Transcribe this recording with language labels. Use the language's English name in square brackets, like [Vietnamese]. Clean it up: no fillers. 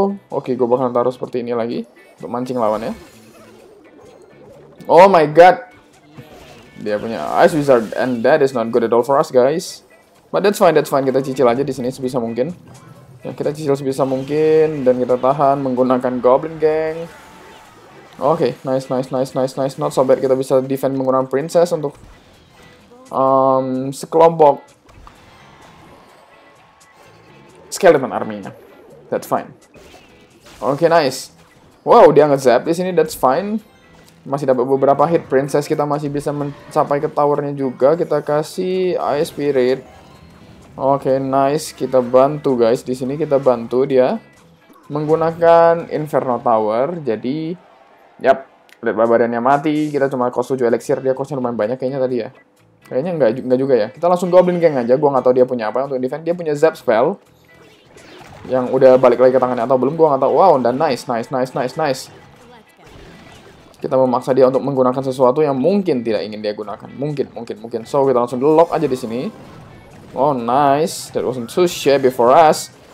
[Indonesian] Oke, gue bakal taruh seperti ini lagi. Untuk mancing lawannya. [English] Oh my god. [Indonesian] Dia punya [English] Ice Wizard, and that is not good at all for us, guys. But that's fine. [Indonesian] Kita cicil aja di sini sebisa mungkin. Ya, kita cicil sebisa mungkin, dan kita tahan menggunakan Goblin Gang. Oke, nice. [English] Not so bad, [Indonesian] kita bisa defend menggunakan Princess untuk sekelompok Skeleton Army-nya. [English] That's fine. [Indonesian] Oke, nice. Wow, dia nge-zap di sini, [English] that's fine. [Indonesian] Masih dapat beberapa hit princess, kita masih bisa mencapai ke towernya juga. Kita kasih ice spirit. Oke, nice. Kita bantu guys di sini, kita bantu dia menggunakan inferno tower. Jadi yap, lihat barbarannya mati, kita cuma kos 7 elixir. Dia kosnya lumayan banyak kayaknya tadi ya. Kayaknya enggak juga ya. Kita langsung goblin gang aja. Gua enggak tahu dia punya apa untuk defend. Dia punya zap spell yang udah balik lagi ke tangannya atau belum, gua enggak tahu. Wow, dan nice. Kita memaksa dia untuk menggunakan sesuatu yang mungkin tidak ingin dia gunakan. Mungkin. So, kita langsung lock aja di sini. [English] Oh nice, that wasn't too shabby for us.